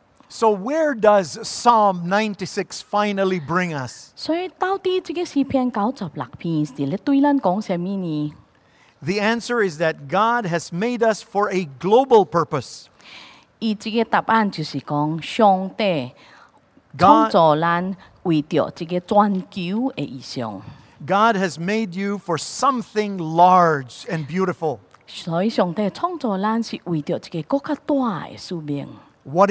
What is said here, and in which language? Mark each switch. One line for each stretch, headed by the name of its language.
English: So where does Psalm 96 finally bring us? The answer is that God has made us for a global purpose.
Min Nan Chinese: 伊这个答案就是讲，上帝创造咱为着这个全球的意向。
English: God has made you for something large and beautiful.
Min Nan Chinese: 所以上帝创造咱是为着这个更加大的使命。
English: What